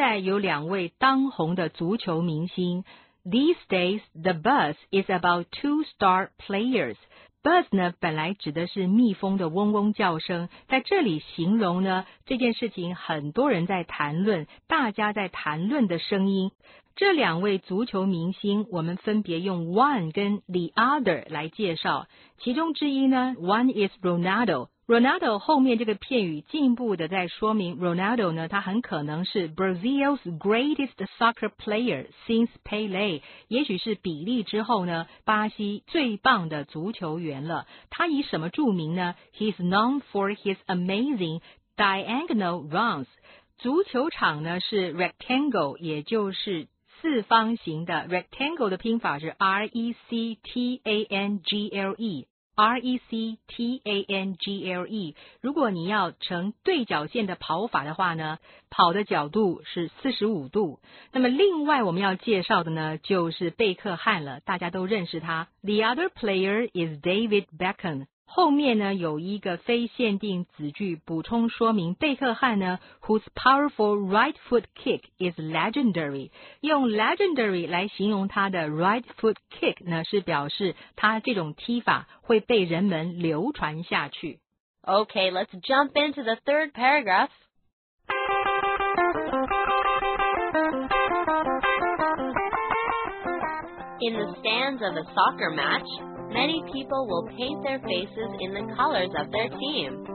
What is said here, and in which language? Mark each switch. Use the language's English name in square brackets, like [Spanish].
[Chinese] 比利已经退休了,现在有两位当红的足球明星. [English] These days, the buzz is about two star players. [Chinese] Buzz 呢本来指的是蜜蜂的嗡嗡叫声，在这里形容呢这件事情很多人在谈论，大家在谈论的声音。这两位足球明星，我们分别用 one 跟 the other 来介绍。其中之一呢 ， [English] one is Ronaldo。 [Chinese] Ronaldo 后面这个片语进一步的在说明 ，Ronaldo 呢，他很可能是 [English] Brazil's greatest soccer player since Pele， [Chinese] 也许是比利之后呢，巴西最棒的足球员了。他以什么著名呢 ？ [English] He's known for his amazing diagonal runs. [Chinese] 足球场呢是 rectangle, 也就是四方形的。 Rectangle 的拼法是 rectangle, rectangle。如果你要成对角线的跑法的话呢，跑的角度是45度。那么另外我们要介绍的呢，就是贝克汉了，大家都认识他。 [English] The other player is David Beckham。 [Chinese] 后面呢有一个非限定子句补充说明，贝克汉呢 [English] whose powerful right foot kick is legendary, [Chinese] 用 legendary 来形容他的 right foot kick 呢，是表示他这种踢法会被人们流传下去。 [English] Okay, let's jump into the third paragraph. In the stands of a soccer matchMany people will paint their faces in the colors of their team.